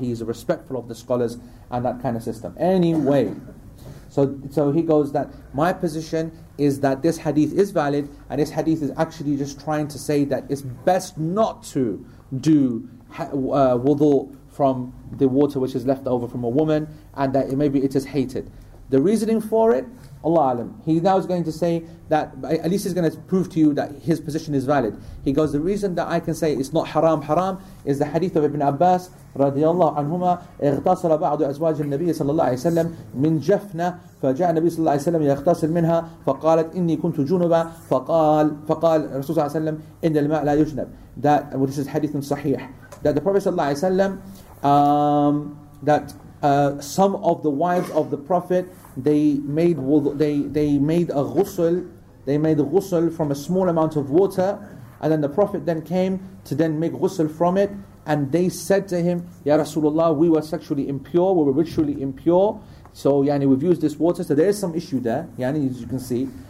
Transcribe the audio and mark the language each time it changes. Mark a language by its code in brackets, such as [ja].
[en] He is respectful of the scholars and that kind of system. Anyway, so he goes that my position is that this hadith is valid, and this hadith is actually just trying to say that it's best not to do wudu from the water which is left over from a woman, and that it is hated. The reasoning for it, Allah alam. He now is going to say that, at least he's going to prove to you that his position is valid. He goes, the reason that I can say it's not haram is the hadith of Ibn Abbas radiallahu anhuma, [ar] اغتصر بعض أزواج النبي صلى الله عليه وسلم من جفنة فجاء النبي صلى الله عليه وسلم يغتصر منها فقالت إني كنت جنبا فقال رسول الله صلى الله عليه وسلم إن الماء لا يجنب. [en] That, well, this is hadith صحيح, that the Prophet صلى الله عليه وسلم some of the wives of the Prophet, they made ghusl from a small amount of water, and then the Prophet then came to then make ghusl from it, and they said to him, Ya Rasulullah, we were sexually impure, we were ritually impure, so yani, we've used this water, so there is some issue there, yani, as you can see.